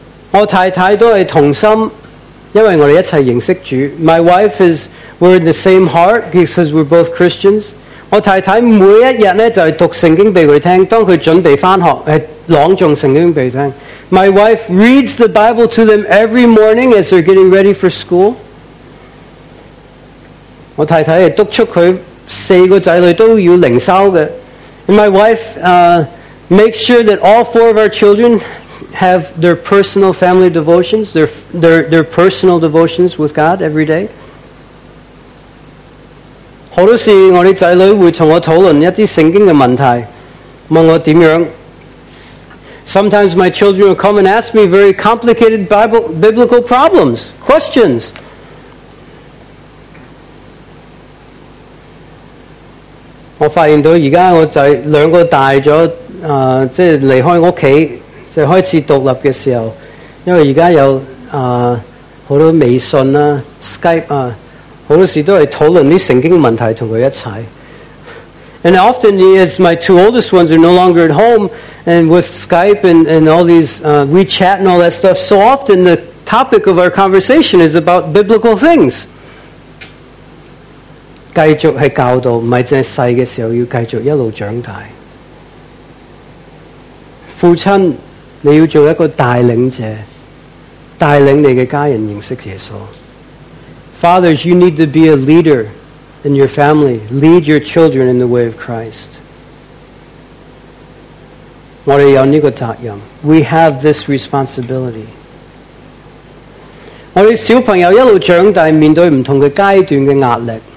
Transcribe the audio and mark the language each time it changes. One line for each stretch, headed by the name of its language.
Chinese: 我太太都系同心，因为我哋一齐认识主。
English: My wife is, we're in the same heart because we're both Christians.
Chinese: 我太太每一日咧就系读圣经俾佢听，当佢准备翻学，朗诵圣经俾佢听。
English: My wife reads the Bible to them every morning as they're getting ready for school。
Chinese: 我太太亦督促佢四个仔女都要灵修嘅。
English: And my wife makes sure that all four of our children have their personal family devotions, their personal devotions with God every day.
Chinese: 好多时我的仔女会同我讨论一些圣经的问题，问我怎样。
English: Sometimes my children will come and ask me very complicated biblical problems, questions.
Chinese: 我发现到现在我仔两个大了，即是离开家，即是开始独立的时候，因为现在有好多微信啦、Skype 啊，好多时都系讨论啲圣经问题同佢一齐。
English: And often as my two oldest ones are no longer at home, and with Skype and all these WeChat and all that stuff, so often the topic of our conversation is about biblical things.
Chinese: 继续系教导，唔系净系细嘅时候要继续一路长大。父亲，你要做一个带领者，带领你嘅家人认识耶稣。
English: Fathers, you need to be a leader in your family. Lead your children in the way of Christ.
Chinese: 我哋有呢个责任。
English: We have this responsibility.
Chinese: 我哋小朋友一路长大，面对唔同嘅阶段嘅压力。